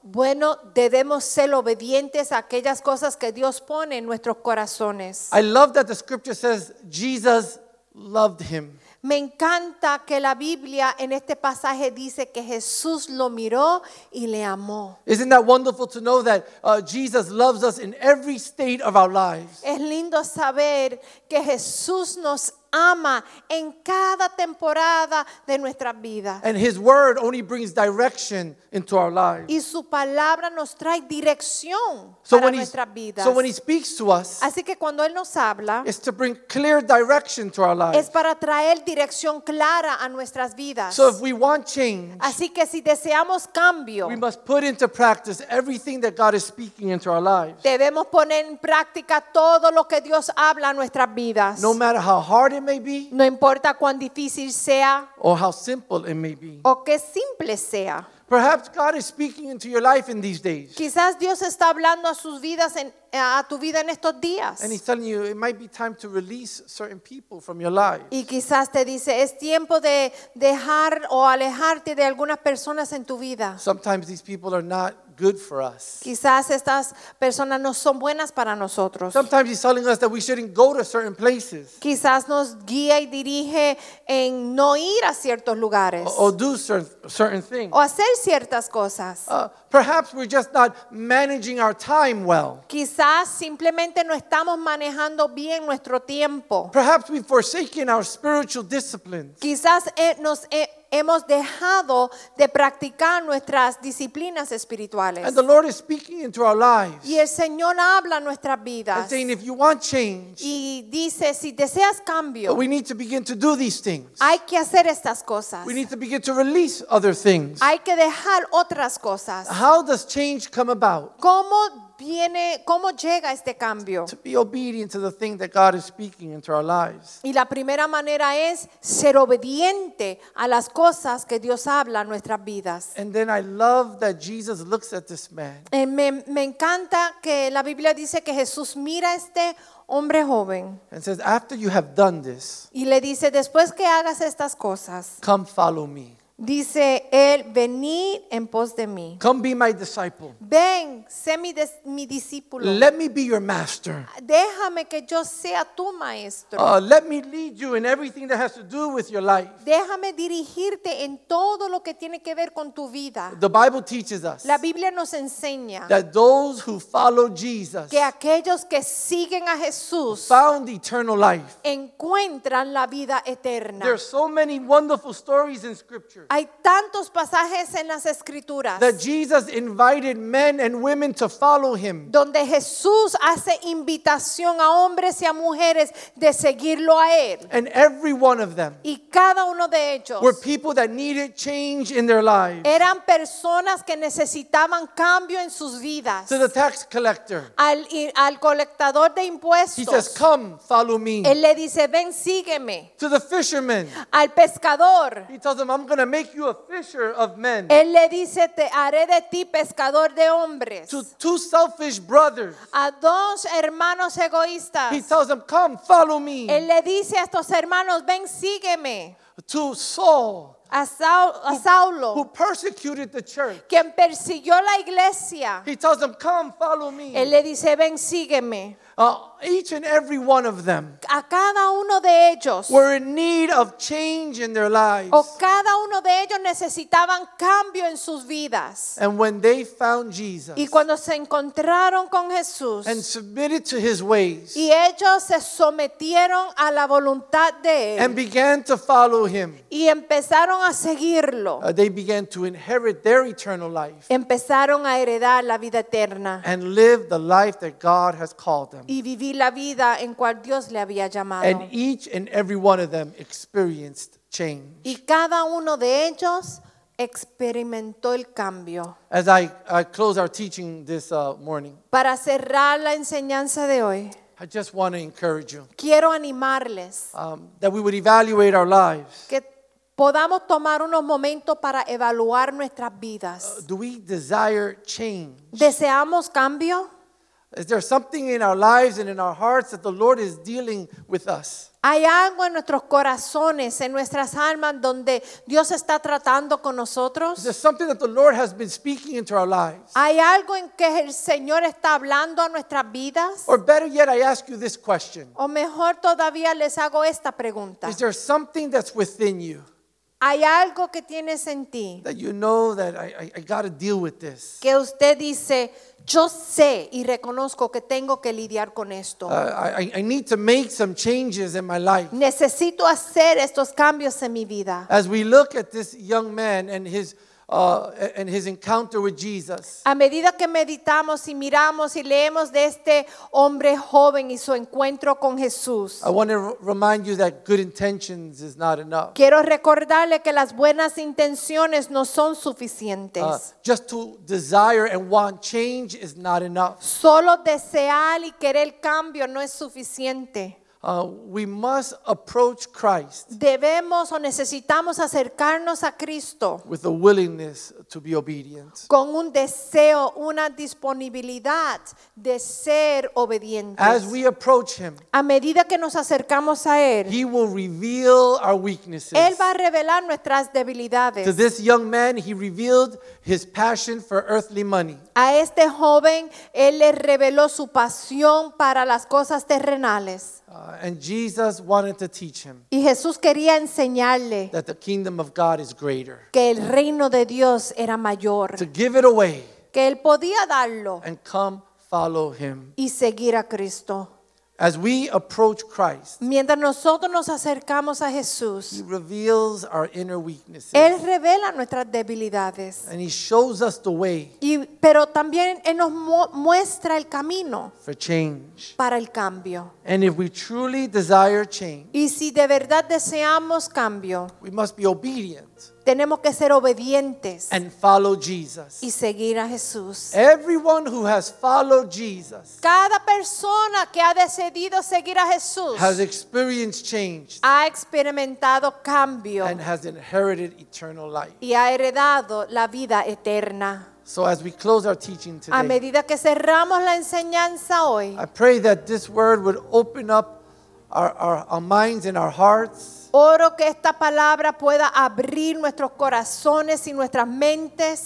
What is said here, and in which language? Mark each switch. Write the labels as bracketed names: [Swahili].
[Spanish] Bueno, debemos ser obedientes a aquellas cosas que Dios pone en nuestros corazones. [English] I love that the scripture says Jesus loved him. [Spanish] Me encanta que la Biblia en este pasaje dice que Jesús lo miró y le amó. [English] Isn't that wonderful to know that Jesus loves us in every state of our lives? [Spanish] Es lindo saber que Jesús nos ama en cada temporada de nuestras vidas. [English] And his word only brings direction into our lives. [Spanish] Y su palabra nos trae dirección para nuestras vidas. [English] So when he speaks to us, [Spanish] así que cuando él nos habla, [English] it's to bring clear direction to our lives. [Spanish] Es para traer dirección clara a nuestras vidas. [English] So if we want change, [Spanish] así que si deseamos cambio, [English] we must put into practice everything that God is speaking into our lives. [Spanish] Debemos poner en práctica todo lo que Dios habla a nuestras vidas. [English] No matter how hard it may be, [Spanish] no importa cuán difícil sea, [English] or how simple it may be, [Spanish] o qué simple sea. [English] Perhaps God is speaking into your life in these days. [Spanish] Quizás Dios está hablando a sus vidas en a tu vida en estos días. [English] And he's telling you it might be time to release certain people from your life. [Spanish] Y quizás te dice es tiempo de dejar o alejarte de algunas personas en tu vida. [English] Sometimes these people are not good for us. [Spanish] Quizás estas personas no son buenas para nosotros. [English] Sometimes he's telling us that we shouldn't go to certain places. [Spanish] Quizás nos guía y dirige en no ir a ciertos lugares. [English] Or do certain things. [Spanish] O hacer ciertas cosas. [English] Perhaps we're just not managing our time well. [Spanish] Quizás simplemente no estamos manejando bien nuestro tiempo. [English] Perhaps we've forsaken our spiritual disciplines. [Spanish] Quizás nos hemos dejado de practicar nuestras disciplinas espirituales. [English] And the Lord is speaking into our lives. [Spanish] Y el Señor habla a nuestras vidas. [English] And saying, if you want change, [Spanish] y dice, si deseas cambio, [English] we need to begin to do these things. [Spanish] Hay que hacer estas cosas. [English] We need to begin to release other things. [Spanish] Hay que dejar otras cosas. [English] How does change come about? [Spanish] ¿Cómo viene, cómo llega este cambio? [English] To be obedient to the thing that God is speaking into our lives. [Spanish] Y la primera manera es ser obediente a las cosas que Dios habla a nuestras vidas. [English] And then I love that Jesus looks at this man. [Spanish] Me encanta que la Biblia dice que Jesús mira a este hombre joven. [English] And says, after you have done this, [Spanish] y le dice, después que hagas estas cosas, [English] come follow me. [Spanish] Dice él, venid en pos de mí. [English] Come be my disciple. [Spanish] Ven, sé mi discípulo. [English] Let me be your master. [Spanish] Déjame que yo sea tu maestro. [English] Let me lead you in everything that has to do with your life. [Spanish] Déjame dirigirte en todo lo que tiene que ver con tu vida. [English] The Bible teaches us. [Spanish] La Biblia nos enseña. [English] That those who follow Jesus. [Spanish] Que aquellos que siguen a Jesús. [English] Found eternal life. [Spanish] Encuentran la vida eterna. [English] There are so many wonderful stories in Scripture. [Spanish] Hay tantos pasajes en las escrituras. [English] That Jesus invited men and women to follow him. [Spanish] Donde Jesús hace invitación a hombres y a mujeres de seguirlo a él. [English] And every one of them. [Spanish] Y cada uno de ellos. [English] Were people that needed change in their lives. [Spanish] Eran personas que necesitaban cambio en sus vidas. [English] To the tax collector. [Spanish] Al colectador de impuestos. [English] He says, "Come, follow me." [Spanish] Él le dice, "Ven, sígueme." [English] To the fisherman. [Spanish] Al pescador. [English] He tells him, "I'm going to make you a fisher of men." [Spanish] Él le dice, te haré de ti pescador de hombres. [English] To two selfish brothers. [Spanish] A dos hermanos egoístas. [English] He tells them, "Come, follow me." [Spanish] Él le dice a estos hermanos, ven, sígueme. [English] To Saul. [Spanish] A Saulo, [English] who persecuted the church, [Spanish] quien persiguió la iglesia. [English] He tells them, "Come, follow me." [Spanish] Él le dice, ven, sígueme. [English] Each and every one of them, [Spanish] a cada uno de ellos, [English] were in need of change in their lives. [Spanish] O cada uno de ellos necesitaban cambio en sus vidas. [English] And when they found Jesus, [Spanish] y cuando se encontraron con Jesús, [English] and submitted to his ways, [Spanish] y ellos se sometieron a la voluntad de él, [English] and began to follow him, [Spanish] y empezaron a seguirlo, [English] they began to inherit their eternal life, [Spanish] empezaron a heredar la vida eterna, [English] and live the life that God has called them. [Spanish] Y vivir la vida en cual Dios le había llamado. [English] And each and every one of them experienced change. [Spanish] Y cada uno de ellos experimentó el cambio. [English] As I close our teaching this morning. [Spanish] Para cerrar la enseñanza de hoy. [English] I just want to encourage you. [Spanish] Quiero animarles. [English] That we would evaluate our lives. [Spanish] Que podamos tomar unos momentos para evaluar nuestras vidas. [English] Do we desire change? [Spanish] ¿Deseamos cambio? [English] Is there something in our lives and in our hearts that the Lord is dealing with us? [Spanish] Hay algo en nuestros corazones, en nuestras almas, donde Dios está tratando con nosotros. [English] Is there something that the Lord has been speaking into our lives? [Spanish] Hay algo en que el Señor está hablando a nuestras vidas. [English] Or better yet, I ask you this question. [Spanish] O mejor todavía les hago esta pregunta. [English] Is there something that's within you? [Spanish] Hay algo que tienes en ti. [English] That you know that I got to deal with this. [Spanish] Que usted dice, yo sé y reconozco que tengo que lidiar con esto. [English] I need to make some changes in my life. [Spanish] Necesito hacer estos cambios en mi vida. [English] As we look at this young man and his encounter with Jesus. [Spanish] A medida que meditamos y miramos y leemos de este hombre joven y su encuentro con Jesús. [English] I want to remind you that good intentions is not enough. [Spanish] Quiero recordarle que las buenas intenciones no son suficientes. [English] Just to desire and want change is not enough. [Spanish] Solo desear y querer cambio no es suficiente. [English] We must approach Christ. [Spanish] Debemos o necesitamos acercarnos a Cristo. [English] With a willingness to be obedient. [Spanish] Con un deseo, una disponibilidad de ser obedientes. [English] As we approach him. [Spanish] A medida que nos acercamos a él. [English] He will reveal our weaknesses. [Spanish] Él va a revelar nuestras debilidades. [English] To this young man, he revealed his passion for earthly money. [Spanish] A este joven, él le reveló su pasión para las cosas terrenales. [English] And Jesus wanted to teach him. [Spanish] Y Jesús quería enseñarle. [English] That the kingdom of God is greater. [Spanish] Que el reino de Dios era mayor. [English] To give it away. [Spanish] Que él podía darlo. [English] And come follow him. [Spanish] Y seguir a Cristo. [English] As we approach Christ. [Spanish] Mientras nosotros nos acercamos a Jesús. [English] He reveals our inner weaknesses. [Spanish] Él revela nuestras debilidades. [English] And he shows us the way. [Spanish] Pero también él nos muestra el camino. [English] For change. [Spanish] Para el cambio. [English] And if we truly desire change. [Spanish] Y si de verdad deseamos cambio. [English] We must be obedient. [Spanish] Tenemos que ser obedientes. [English] And follow Jesus. [Spanish] Y seguir a Jesús. [English] Everyone who has followed Jesus. [Spanish] Cada persona que ha decidido seguir a Jesús. [English] Has experienced change. [Spanish] Ha experimentado cambio. [English] And has inherited eternal life. [Spanish] Y ha heredado la vida eterna. [English] So as we close our teaching today. [Spanish] A medida que cerramos la enseñanza hoy. [English] I pray that this word would open up our minds and our hearts. [Spanish] Oro que esta palabra pueda abrir nuestros corazones y nuestras mentes.